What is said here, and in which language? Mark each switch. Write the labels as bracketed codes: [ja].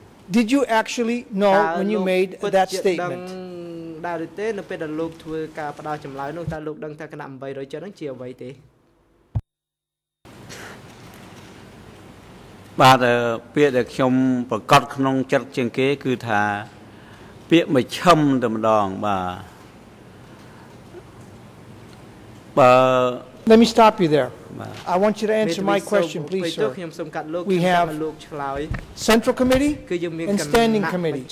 [en] Did you actually know when you made that statement? [km] ដែលទេនៅពេលដែលលោកធ្វើការផ្ដោចម្លើយនោះតើលោកដឹងថាគណៈ807ហ្នឹងជាអ្វីទេ បាទពាក្យដែលខ្ញុំប្រកាសក្នុងចិត្តជាងគេគឺថាពាក្យមិនឈឹមតែម្ដងបាទបើ [en] Let me stop you there. I want you to answer my question, please, sir. We have Central Committee and Standing Committee.